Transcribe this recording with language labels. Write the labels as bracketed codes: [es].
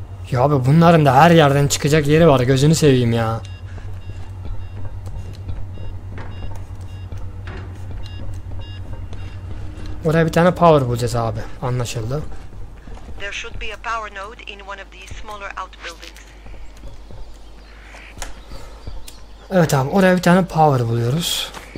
[tr] Ya abi bunların da her yerden çıkacak yeri var. Gözünü seveyim ya. Oraya bir tane power bulacağız abi. Anlaşıldı. [en] There should be a power node in one of these smaller outbuildings. [tr] Evet abi, oraya bir tane power buluyoruz.